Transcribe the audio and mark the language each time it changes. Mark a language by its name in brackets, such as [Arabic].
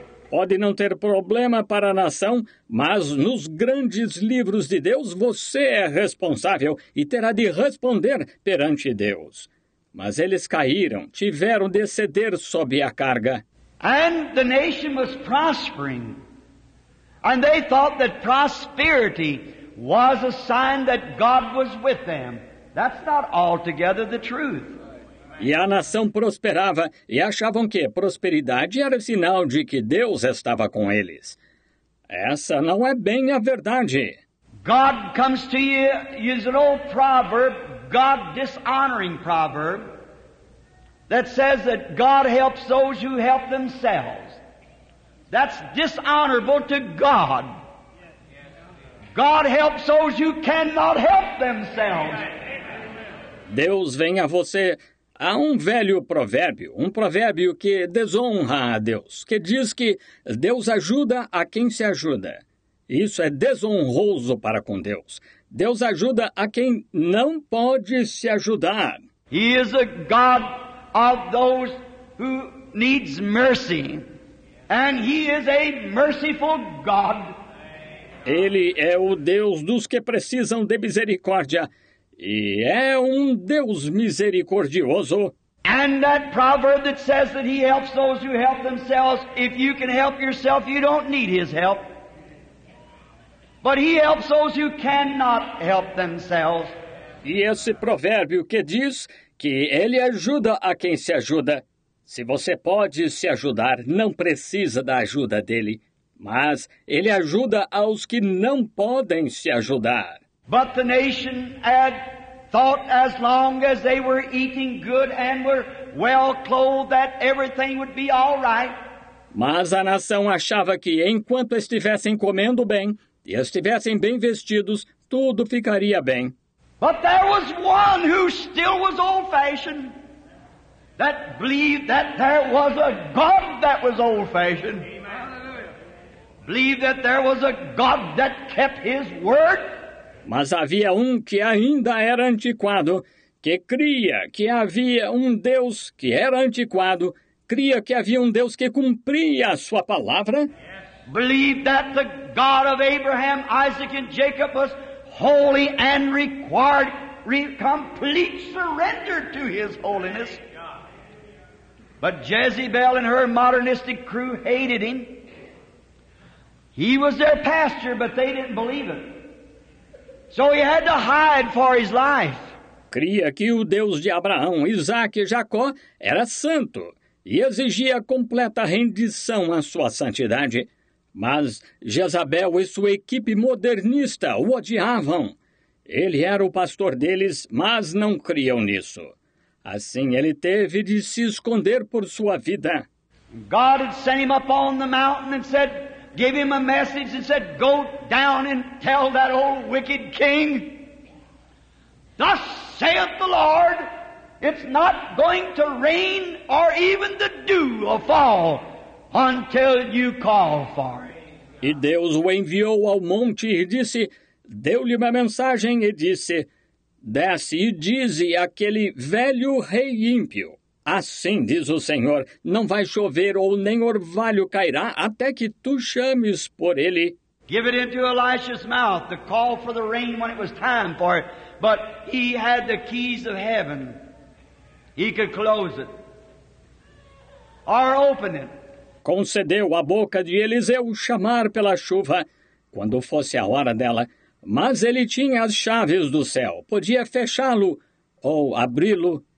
[Portuguese] Pode não ter problema para a nação, mas nos grandes livros de Deus, você é responsável e terá de responder perante Deus. Mas eles caíram, tiveram de ceder sob a carga. [English] And the nation was prospering. And they thought that prosperity was a sign that God was with them. That's not altogether the truth. [Portuguese] E a nação prosperava e achavam que prosperidade era sinal de que Deus estava com eles. Essa não é bem a verdade. [English] God comes to you, use an old proverb, God dishonoring proverb, that says that God helps those who help themselves. That's dishonorable to God. God helps those who cannot help themselves. [Portuguese] Deus vem a você. Há velho provérbio, provérbio que desonra a Deus, que diz que Deus ajuda a quem se ajuda. Isso é desonroso para com Deus. Deus ajuda a quem não pode se ajudar. [English] He is a God of those who needs mercy. And he is a merciful God. [Portuguese] Ele é o Deus dos que precisam de misericórdia. E é Deus misericordioso. [English] And that proverb that says that he helps those who help themselves, if you can help yourself, you don't need his help. But he helps those who cannot help themselves. [Portuguese] E esse provérbio que diz que ele ajuda a quem se ajuda. Se você pode se ajudar, não precisa da ajuda dele, mas ele ajuda aos que não podem se ajudar. [English] But the nation had thought as long as they were eating good and were well clothed that everything would be all right. [Portuguese] Mas a nação achava que enquanto estivessem comendo bem e estivessem bem vestidos, tudo ficaria bem. [English] But there was one who still was old-fashioned. that believed that there was a God that was old-fashioned. Believed that there was a God that kept his word. [Portuguese] Mas havia que ainda era antiquado, que cria que havia Deus que era antiquado, cria que havia Deus que cumpria a sua palavra. [English] Believed that the God of Abraham, Isaac, and Jacob was holy and required complete surrender to his holiness. But Jezebel and her modernistic crew hated him. He was their pastor, but they didn't believe him. So he had to hide for his life. [Portuguese] Cria que o Deus de Abraão, Isaac e Jacó era santo e exigia completa rendição à sua santidade. Mas Jezabel e sua equipe modernista o odiavam. Ele era o pastor deles, mas não criam nisso. Assim, ele teve de se esconder por sua vida. [English] God had sent him up on the mountain and said, gave him a message and said, go down and tell that old wicked king, thus saith the Lord, it's not going to rain or even the dew will fall until you call for it. [Portuguese] E Deus o enviou ao monte e disse, deu-lhe uma mensagem e disse, desce e dize àquele velho rei ímpio. Assim diz o Senhor, não vai chover ou nem orvalho cairá até que tu chames por ele. [English] Give it into Elisha's mouth, the call for the rain when it was time for it. But he had the keys of heaven. He could close it or open it. Concedeu à boca de Eliseu chamar pela chuva quando fosse a hora dela, mas ele tinha as chaves do céu, podia fechá-lo ou abri-lo.